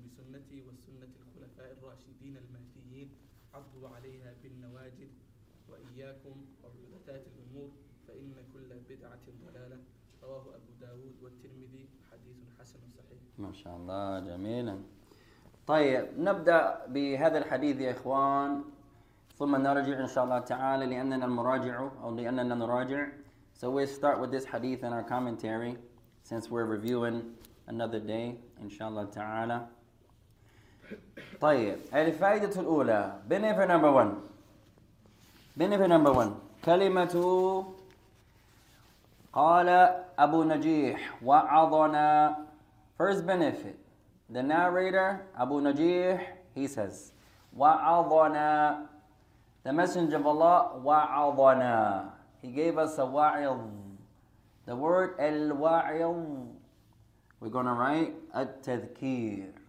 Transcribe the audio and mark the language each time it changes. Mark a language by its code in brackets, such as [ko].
[ar] بسنتي وسنة الخلفاء الراشدين المهديين عضوا عليها بالنواجذ وإياكم وبدعات الأمور فإن كل بدعة ضلالة رواه أبو داود والترمذي حديث حسن صحيح. ما شاء الله جميلا. طيب نبدأ بهذا الحديث يا إخوان ثم نرجع إن شاء الله تعالى لأننا المراجع أو لأننا نراجع. [en] So we start with this hadith in our commentary since we're reviewing another day [ar] إن شاء الله تعالى. طيب الفائدة الأولى [en] benefit number one [ar] كلمة قال أبو نجيح وعظنا. [en] First benefit, the narrator Abu Najih, he says [ar] وعظنا. [en] The Messenger of Allah wa'adhana. He gave us a wa'idh. The word al-wa'idh, we're going to write at-tadhkir.